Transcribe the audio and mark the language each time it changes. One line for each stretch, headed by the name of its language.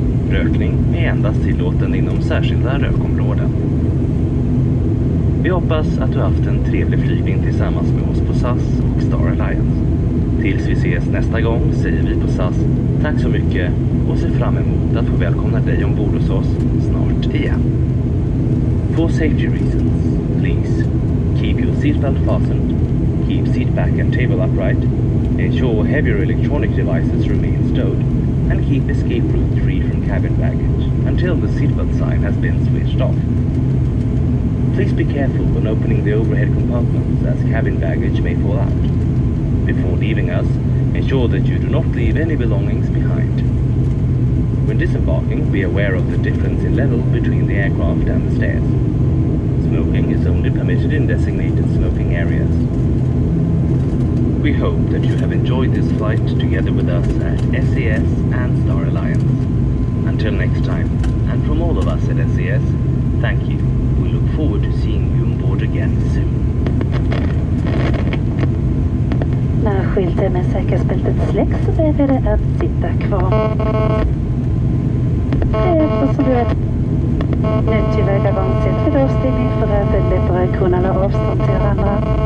Swedish: Rökning är endast tillåten inom särskilda rökområden. Vi hoppas att du haft en trevlig flygning tillsammans med oss på SAS och Star Alliance. Tills vi ses nästa gång säger vi på SAS tack så mycket och ser fram emot att få välkomna dig ombord hos oss snart igen.
English: For safety reasons, please keep your seatbelt fastened, keep seat back and table upright, ensure heavier electronic devices remain stowed, and keep escape route free from cabin baggage until the seatbelt sign has been switched off. Please be careful when opening the overhead compartments as cabin baggage may fall out. Before leaving us, ensure that you do not leave any belongings behind. When disembarking, be aware of the difference in level between the aircraft and the stairs. Smoking is only permitted in designated smoking areas. We hope that you have enjoyed this flight together with us at SAS and Star Alliance. Until next time, and from all of us at SAS, thank you. We look forward to seeing you on board again soon.
Swedish: När skylten med säkerhetsbältet släcks så ber vi dig att sitta kvar. Det är så som du vet. Nu tillvägagångssätt vid avstigning för att det är lättare att kunna hålla avstånd till varandra.